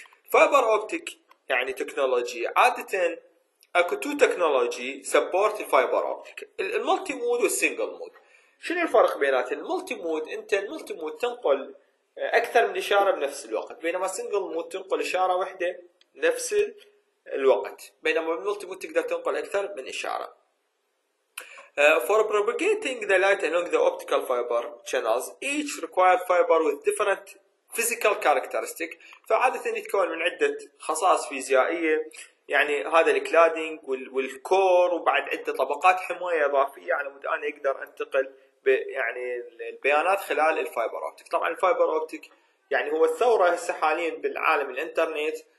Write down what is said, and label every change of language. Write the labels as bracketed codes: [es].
[en] fibre optic يعني technology, [ar] عاده اكو [en] Two technology support الفايبر optic, المالتي mode والسنجل مود. [ar] شنو الفرق بينات المالتي مود؟ انت المالتي مود تنقل اكثر من اشاره بنفس الوقت، بينما سنجل مود تنقل اشاره واحده نفس الوقت، بينما المالتي مود تقدر تنقل اكثر من اشاره. [en] For propagating the light along the optical fiber channels, each required fiber with different physical characteristic. [ar] فعادة يتكون من عدة خصائص فيزيائية، يعني هذا الكلادينج والكور وبعد عدة طبقات حماية إضافية على مود أنا أقدر أنتقل يعني البيانات خلال الفايبر أوبتيك. طبعا الفايبر أوبتيك يعني هو الثورة هسه حاليا بالعالم الإنترنت.